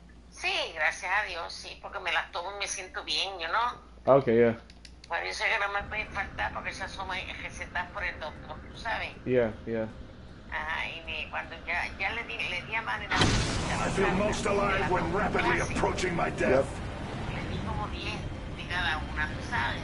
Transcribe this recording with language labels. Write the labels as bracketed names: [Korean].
[Spanish] Sí, gracias a Dios, sí, porque me las tomo y me siento bien, ¿no? [English] Ok, yeah. [Spanish] Bueno, yo sé que no me puede faltar porque esas son recetas por el doctor, ¿tú sabes? [English] Yeah, yeah. [Spanish] Ajá, y cuando ya le di a madre la vida. [English] I feel most alive when rapidly approaching my death. Yep. [Spanish] Le di como 10 de cada una, ¿tú sabes?